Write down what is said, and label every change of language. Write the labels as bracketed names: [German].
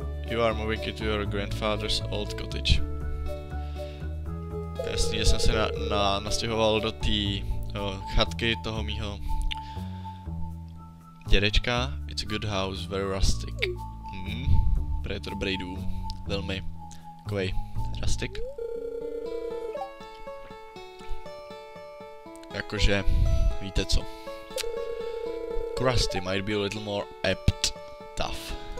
[English] You are moving into your grandfather's old cottage. [Czech] Jasný, že jsem se nastěhoval do té chatky toho mýho dědečka. [English] It's a good house, very rustic. [Czech] Pro je to dobrý dům. Velmi takovej rustic. Jakože, víte co. [English] Krusty might be a little more apt. Tough.